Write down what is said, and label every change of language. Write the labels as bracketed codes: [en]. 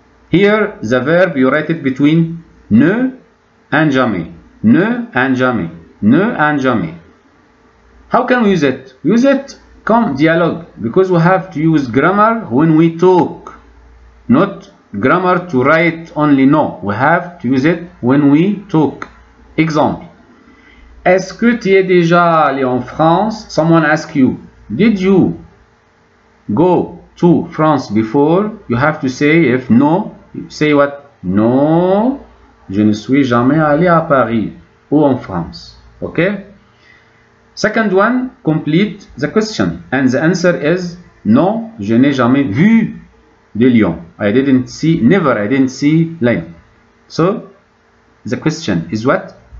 [en] Here, the verb, you write it between ne and jamais. Ne and jamais. Ne and jamais. How can we use it? Use it comme dialogue, because we have to use grammar when we talk, not grammar to write only no. We have to use it when we talk. [fr] Example, est-ce que tu es déjà allé en France? [en] Someone asks you, did you go to France before? You have to say, if no, say what? [fr] No, je ne suis jamais allé à Paris ou en France. [en] Okay? Second one, complete the question. And the answer is, [fr] non, je n'ai jamais vu de Lyon. [en] I didn't see, never, I didn't see Lyon. So, the question is what?